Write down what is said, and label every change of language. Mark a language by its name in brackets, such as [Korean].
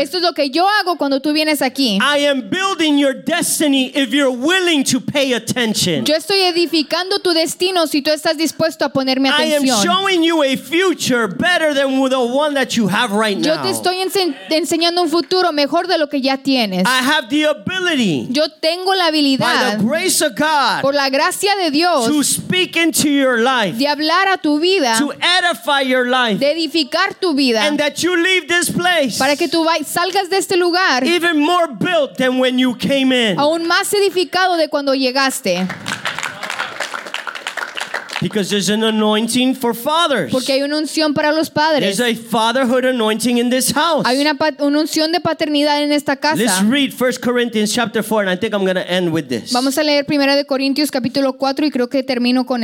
[Spanish] Esto es lo que yo hago cuando tú vienes aquí. [English] I am building your destiny if you're willing to pay attention. [Spanish] Yo estoy edificando tu destino si tú estás dispuesto a ponerme atención. [English] I am showing you a future better than the one that you have right now. [Spanish] Yo te estoy enseñando un futuro mejor de lo que ya tienes. [English] I have the ability. [Spanish] Yo tengo la habilidad, [English] by the grace of God, [Spanish] por la gracia de Dios, [English] to speak into your life, [Spanish] de hablar a tu vida, [English] to edify your life, [Spanish] de edificar tu vida, [English] and that you leave this place, [Spanish] para que tú salgas de este lugar, [English] even more built than when you came in, [Spanish] aún más edificado de cuando llegaste. [English] Because there's an anointing for fathers. [Spanish] Porque hay una unción para los padres. [English] There's a fatherhood anointing in this house. [Spanish] Hay una unción de paternidad en esta casa. [English] Let's read 1 Corinthians chapter 4, and I think I'm going to end with this. [Spanish] Vamos a leer Primera de Corintios capítulo 4 y creo que termino con